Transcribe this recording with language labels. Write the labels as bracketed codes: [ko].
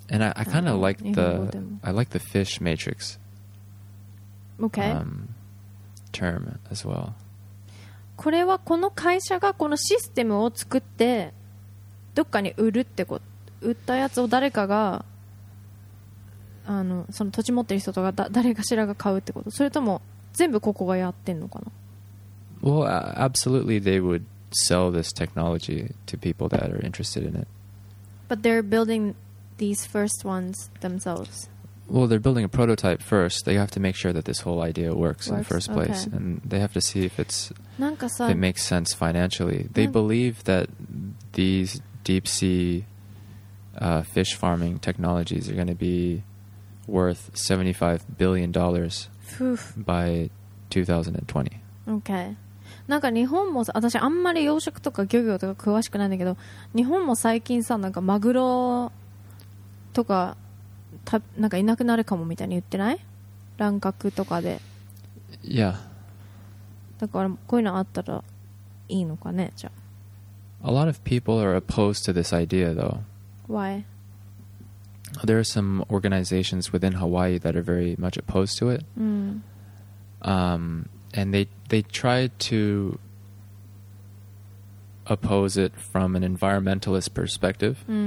[en] And I kind of like the I like the fish matrix. Okay. Term as well. [ja] これはこの会社がこのシステムを作ってどっかに売るってこと、売ったやつを誰かがその土地持ってる人とか誰かしらが買うってこと、それとも全部ここがやってんのかな。 [en] Well, absolutely, they would sell this technology to people that are interested in it. But they're building these first ones themselves. Well, they're building a prototype first. They have to make sure that this whole idea works in the first place. Okay. And they have to see if it makes sense financially. They believe that these deep sea fish farming technologies are going to be worth $75 billion by 2020. Okay. [ja] なんか日本も私あんまり養殖とか漁業とか詳しくないんだけど、日本も最近さなんかマグロとかなんかいなくなるかもみたいに言ってない？乱獲とかで。いや。だからこういうのあったらいいのかね、じゃあ。 [en] A lot of people are opposed to this idea though. Why? There are some organizations within Hawaii that are very much opposed to it. And they try to oppose it from an environmentalist perspective.